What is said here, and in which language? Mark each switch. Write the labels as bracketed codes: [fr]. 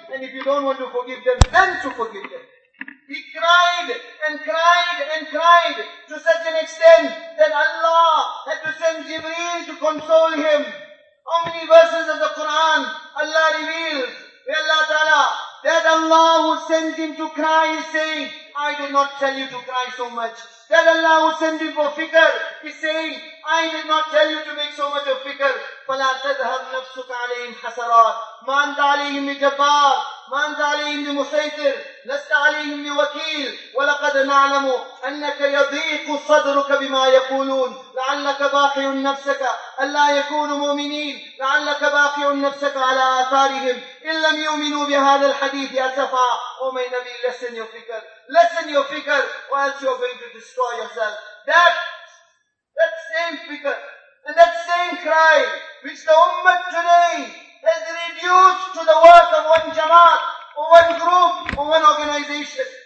[en] And if you don't want to forgive them, then to forgive them. He cried and cried and cried to such an extent that Allah had to send Jibreel to console him. How many verses of the Quran Allah reveals? May Allah Ta'ala, that Allah who sent him to cry is saying, I did not tell you to cry so much. That Allah who sent him for fikr is saying, I did not tell you to make so much of fikr. [ar] فَلَا تَذْهَبْ نَفْسُكَ عَلَيْهِمْ حَسَرَاتِ مَا أَنْتَ عَلَيْهِمْ بِجَبَّارِ مَا أَنْتَ عَلَيْهِمْ بِمُسَيْطِرِ لَسْتَ عَلَيْهِمْ بِوَكِيلِ وَلَقَدْ نَعْلَمُ أَنَّكَ يَضِيقُ صَدْرُكَ بِمَا يَقُولُونَ لَعَلَّكَ بَاقِعٌ نَفْسَكَ أَلَّا يَكُونُوا مُؤْمِنِينَ لَعَلَّكَ بَاقِعٌ نَفْسَكَ عَلَى آثَارِهِمْ إِنْ لَمْ يُؤْمِنُوا بِهَذَا الْحَدِيثِ أَسَفًا [en] Oh my Nabi, lessen your fikr. Lessen your fikr or else you're going to destroy yourself. That same fikr and that same cry which the Ummah today has reduced to the work of one Jamaat or one group or one organization.